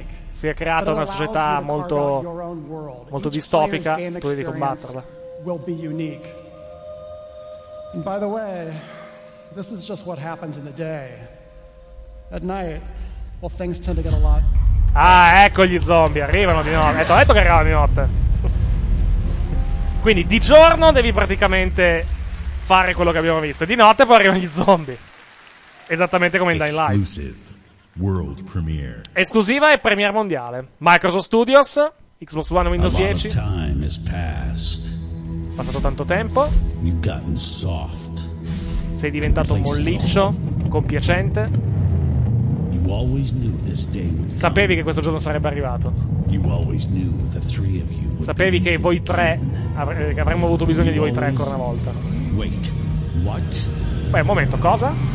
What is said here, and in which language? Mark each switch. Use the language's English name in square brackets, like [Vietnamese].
[Italian] si è creata una società molto molto distopica, tu devi combatterla. [English] Will be unique. And by the way, this is just what happens in the day. At night, well, things tend to get a lot. [Italian] Ah, ecco gli zombie, arrivano di notte. Ho detto che arrivano di notte. Quindi di giorno devi praticamente fare quello che abbiamo visto. Di notte poi arrivano gli zombie. Esattamente come in Dying Light. [English] World premiere. [Italian] Esclusiva e premiere mondiale. Microsoft Studios, Xbox One, Windows 10. [English] Time has passed. [Italian] Passato tanto tempo. [English] You've gotten soft. [Italian] Sei diventato molliccio, compiacente. [English] You always knew this day would come. [Italian] Sapevi che questo giorno sarebbe arrivato. [English] You always knew the three of you would. [Italian] Sapevi che voi tre che avremmo avuto bisogno di voi tre ancora una volta. [English] Wait, what? [Italian] Beh, un momento, cosa?